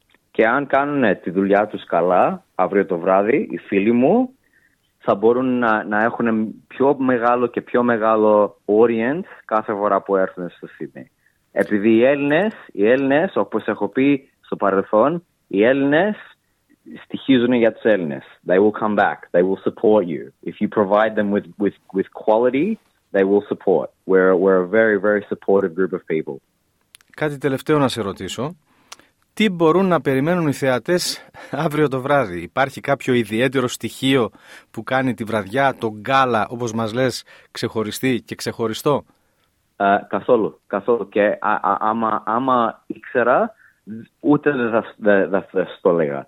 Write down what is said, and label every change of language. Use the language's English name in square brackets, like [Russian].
[Greek] Και αν κάνουν τη δουλειά τους καλά, αύριο το βράδυ, οι φίλοι μου θα μπορούν να έχουν πιο μεγάλο και πιο μεγάλο audience κάθε φορά που έρθουν στο Σίδνεϊ. Επειδή οι Έλληνες, όπως έχω πει στο παρελθόν, οι Έλληνες στοιχίζουν για τους Έλληνες. [English] They will come back. They will support you. If you provide them with quality, they will support. We're a very, very supportive group of people. [Greek] Κάτι τελευταίο να σε ρωτήσω. Τι μπορούν να περιμένουν οι θεατές αύριο το βράδυ? Υπάρχει κάποιο ιδιαίτερο στοιχείο που κάνει τη βραδιά, το γκάλα, όπως μας λες, ξεχωριστή και ξεχωριστό? Καθόλου. Και άμα ήξερα, ούτε δεν θα το λέγα.